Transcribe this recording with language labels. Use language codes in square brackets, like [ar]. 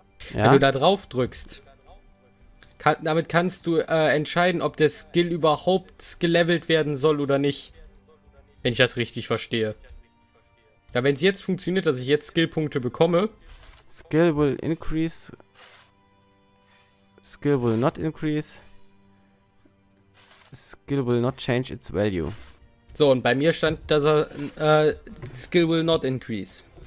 [de] Ja. Wenn du da drauf drückst, damit kannst du entscheiden, ob der Skill überhaupt gelevelt werden soll oder nicht. Wenn ich das richtig verstehe. Ja, wenn es jetzt funktioniert, dass ich jetzt Skillpunkte bekomme. [en] Skill will increase. Skill will not increase. Skill will not change its value. [de] So, und bei mir stand, dass er [en] Skill will not increase.